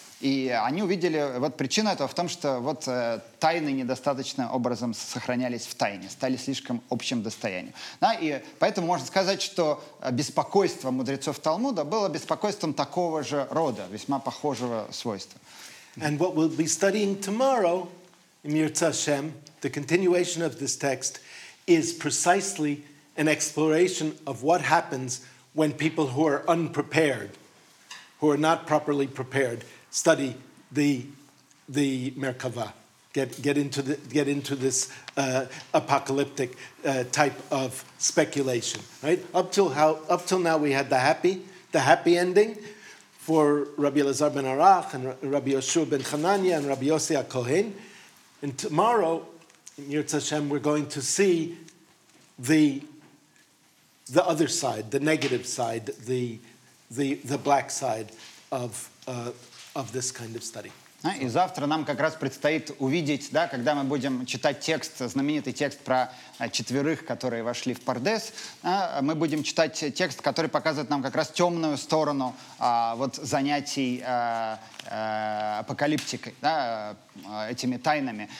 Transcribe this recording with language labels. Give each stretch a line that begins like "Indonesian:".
Russian: И они увидели, вот причина этого в том, что вот тайны недостаточным образом сохранялись в тайне, стали слишком общим достоянием. Да, и поэтому можно сказать, что беспокойство мудрецов Талмуда было беспокойством такого же рода, весьма похожего свойства.
English: And what we'll be studying tomorrow, Emir Tzashem, the continuation of this text, is precisely an exploration of what happens when people who are unprepared, who are not properly prepared, study the Merkava, get into this apocalyptic type of speculation. Right up till now we had the happy ending for Rabbi Elazar ben Arach and Rabbi Yoshua ben Chananya and Rabbi Yossi HaKohen. And tomorrow, Yirtz Hashem, we're going to see the other side, the negative side, the black side of this kind of study.
Russian: И завтра нам как раз предстоит увидеть, да, когда мы будем читать текст, знаменитый текст про четверых, которые вошли в Пардес, да, мы будем читать текст, который показывает нам как раз темную сторону вот занятий апокалиптикой, да, этими тайнами.